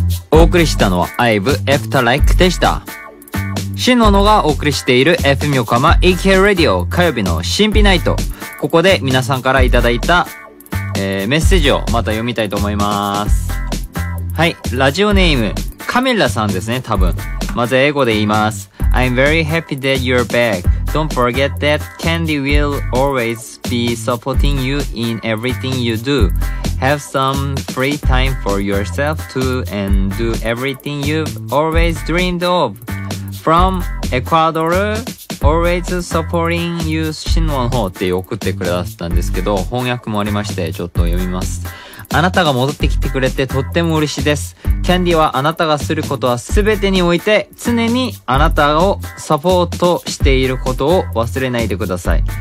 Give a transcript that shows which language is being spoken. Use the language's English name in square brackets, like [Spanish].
[Japanese] お送りしたのは IVE After Like でした。シンノノがお送りしている FM 横浜 EK Radio 火曜日の神秘ナイト。ここで皆さんからいただいた、メッセージをまた読みたいと思います。はい、ラジオネームカミラさんですね、多分。まず英語で言います。 [English] I'm very happy that you're back. Don't forget that candy will always be supporting you in everything you do. Have some free time for yourself too and do everything you've always dreamed of. From Ecuador, always supporting you, [Japanese] 新聞法って送ってくれたんですけど、翻訳もありまして、ちょっと読みます。あなたが戻ってきてくれてとっても嬉しいです。キャンディはあなたがすることはすべてにおいて常にあなたをサポートしていることを忘れないでください。